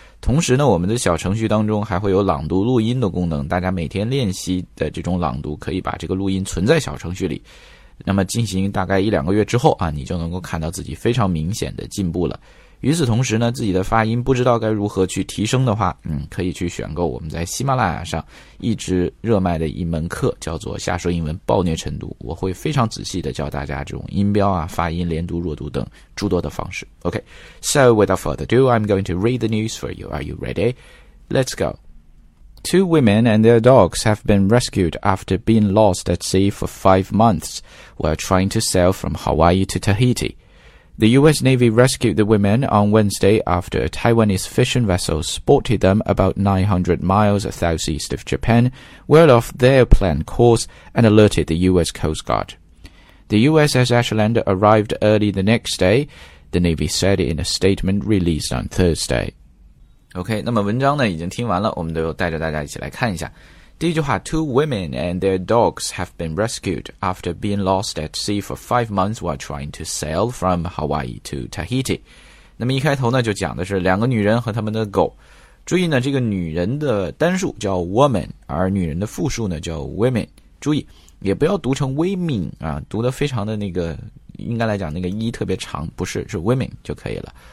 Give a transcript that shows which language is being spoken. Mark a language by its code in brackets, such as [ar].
[zh] 同时呢，我们的小程序当中还会有朗读录音的功能，大家每天练习的这种朗读可以把这个录音存在小程序里，那么进行大概1-2个月之后啊，你就能够看到自己非常明显的进步了。与此同时呢，自己的发音不知道该如何去提升的话，可以去选购我们在喜马拉雅上一直热卖的一门课，叫做瞎说英文暴虐晨读。我会非常仔细的教大家这种音标啊、发音、连读、弱读等诸多的方式。 [en] OK, so without further ado, I'm going to read the news for you. Are you ready? Let's go. Two women and their dogs have been rescued after being lost at sea for 5 months while trying to sail from Hawaii to Tahiti. The U.S. Navy rescued the women on Wednesday after a Taiwanese fishing vessel spotted them about 900 miles southeast of Japan, well off their planned course, and alerted the U.S. Coast Guard. The USS Ashland arrived early the next day, the Navy said in a statement released on Thursday. [zh] OK, 那么文章呢已经听完了，我们都带着大家一起来看一下。 [en] 第一句话， two women and their dogs have been rescued after being lost at sea for 5 months while trying to sail from Hawaii to Tahiti. [zh] 那么一开头呢就讲的是两个女人和他们的狗。注意呢，这个女人的单数叫 woman, 而女人的复数呢叫 women。注意也不要读成 women, 啊，读得非常的那个，应该来讲那个一特别长，不是，是 women 就可以了。